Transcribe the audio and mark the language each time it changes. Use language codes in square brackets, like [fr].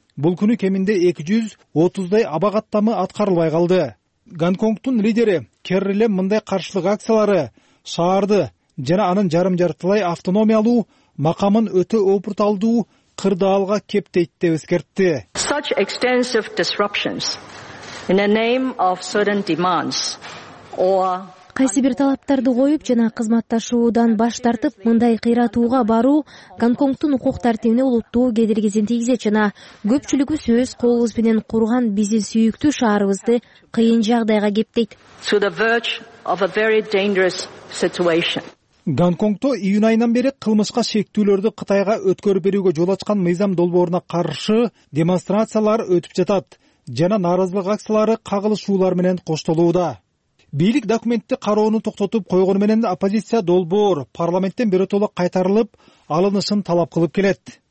[ky] Бул күнү кеминде 230 аба каттамы аткарылбай калды. Гонконгтун лидери Керри Лэм мындай каршылык акциялары шаарды жана анын жарым жартылай автономиялуу макамын өтө опурталдуу кырдаалга кептейт деп эскертти. [en] Such extensive disruptions in the name of certain demands or [ky] кайсы бир талаптарды коюп жана кызматташуудан баш тартып мындай кыйратууга баруу Гонконгтун укук тартибине олуттуу кедиргисин тийгизет жана көпчүлүгүбүз өз колубуз менен курган биздин сүйүктүү шаарыбызды кыйын жагдайга кептейт. [en] To the verge of a very dangerous situation. [ky] Гонконгто июнь айынан бери кылмышка шектүүлөрдү Кытайга өткөрүп берүүгө жол ачкан мыйзам долбооруна каршы демонстрациялар өтүп жатат жана нааразылык акциялары кагылышуулар менен коштолууда. Бийлик документти кароону токтотуп койгону менен оппозиция долбоор парламенттен биротоло кайтарылып алынышын талап кылып келет.